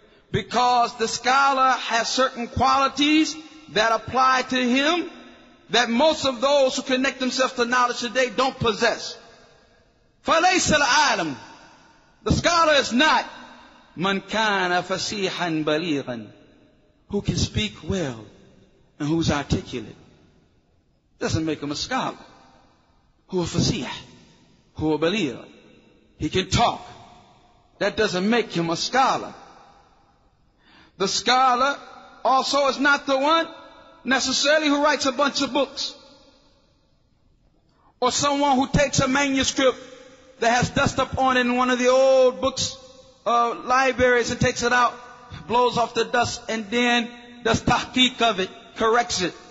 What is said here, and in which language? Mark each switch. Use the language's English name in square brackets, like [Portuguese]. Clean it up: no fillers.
[English] Because the scholar has certain qualities that apply to him that most of those who connect themselves to knowledge today don't possess. [Arabic] فَلَيْسَ الْعَالَمُ [English] The scholar is not [Arabic] مَنْ كَانَ فَسِيحًا بَلِيغًا [English] Who can speak well and who's articulate. Doesn't make him a scholar. [Arabic] هو فسيح هو بليغ [English] He can talk. That doesn't make him a scholar. The scholar also is not the one necessarily who writes a bunch of books. Or someone who takes a manuscript that has dust up on it in one of the old books libraries and takes it out, blows off the dust, and then does tahqiq of it, corrects it.